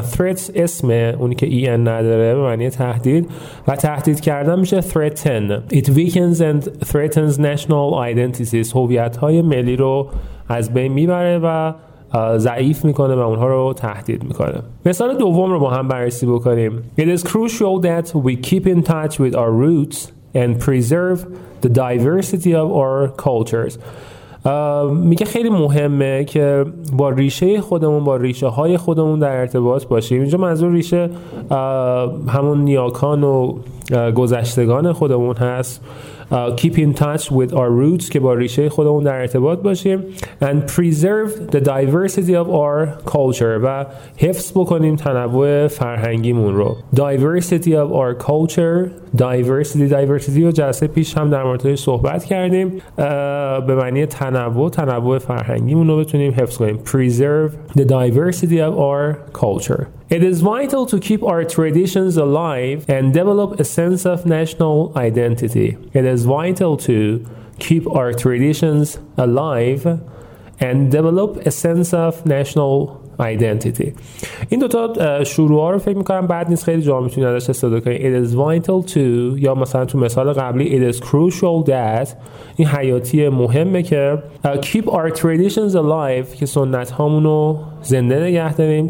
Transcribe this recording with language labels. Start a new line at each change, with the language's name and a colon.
Persian: threat اسم اونی که en نداره به معنی تهدید، و تهدید کردن میشه threaten.
English: it weakens and threatens national identities.
Persian: هویت های ملی رو از بین میبره و ضعیف میکنه و اونها رو تهدید میکنه. مثال دوم رو با هم بررسی بکنیم.
English: It is crucial that we keep in touch with our roots and preserve the diversity of our cultures.
Persian: میگه خیلی مهمه که با ریشه خودمون، با ریشه های خودمون در ارتباط باشیم. اینجا منظور ریشه همون نیاکان و گذشتگان خودمون هست.
English: Keep in touch with our roots
Persian: که با ریشه خودمون در ارتباط باشیم.
English: And preserve the diversity of our culture
Persian: و حفظ بکنیم تنوع فرهنگیمون رو.
English: Diversity of our culture.
Persian: Diversity رو جلسه پیش هم در موردش صحبت کردیم. به معنی تنوع فرهنگیمون رو بتونیم حفظ کنیم.
English: Preserve the diversity of our culture. It is vital to keep our traditions alive and develop a sense of national identity. It is vital to keep our traditions alive and develop a sense of national identity.
Persian: این دوتا شروع ها رو فکر میکنم بعد نیست خیلی جا میتونی ازش استفاده کنی.
English: It is vital to،
Persian: یا مثلا تو مثال قبلی
English: It is crucial that،
Persian: این حیاتی مهمه که
English: keep our traditions alive،
Persian: که سنت هامونو زنده نگه داریم.